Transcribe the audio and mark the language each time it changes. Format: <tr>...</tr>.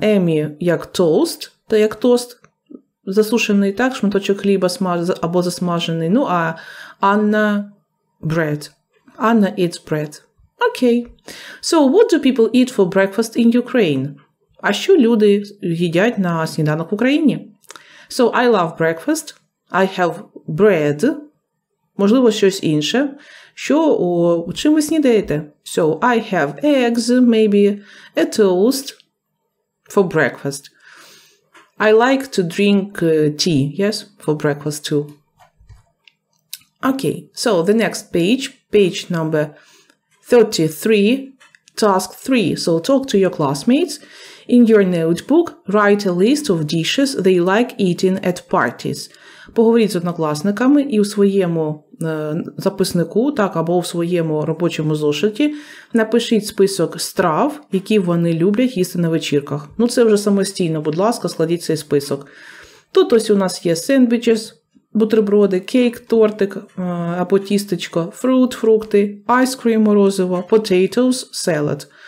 <uk>Amy як toast, та як тост засушений, так, шматочок хліба або засмажений. Ну, а Anna bread.</uk> <en>Anna eats bread. Okay. So, what do people eat for breakfast in Ukraine?</en> <uk>А що люди їдять на сніданок в Україні?</uk> <en>So, I love breakfast. I have bread.</en> <uk>Можливо, щось інше. Що, чим ви снідаєте?</uk> <en>So, I have eggs, maybe a toast for breakfast. I like to drink tea, yes, for breakfast too. Okay, so the next page, page number 33, task 3. So, talk to your classmates. In your notebook, write a list of dishes they like eating at parties.</en> <uk>Поговоріть з однокласниками і у своєму записнику, так, або у своєму робочому зошиті, напишіть список страв, які вони люблять їсти на вечірках. Ну, це вже самостійно, будь ласка, складіть цей список. Тут ось у нас є сендвічес, бутерброди, кейк, тортик або тістечко, фрукт, фрукти, айскрім, морозиво, potatoes, салат.</uk>